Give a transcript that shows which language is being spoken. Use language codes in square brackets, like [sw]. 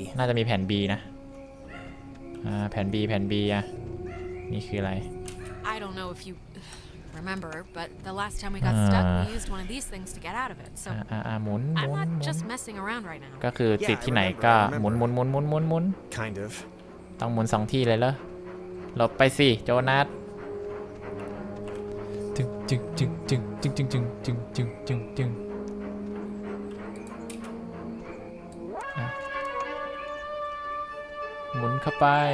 [th] น่าจะมีแผน B นะแผน B อ่ะนี่คืออะไร [en] I don't know if you remember but the last time we got stuck we used one of these things to get out of it so [th] หมุน [en] I'm not just messing around right now [th] ก็คือติดที่ไหนก็หมุน [en] kind of [th] ต้องหมุน2ที่เลยเหรอหลบไปสิโจนาธจึ๊งๆๆๆๆๆๆๆๆๆๆหมุนเข้าไป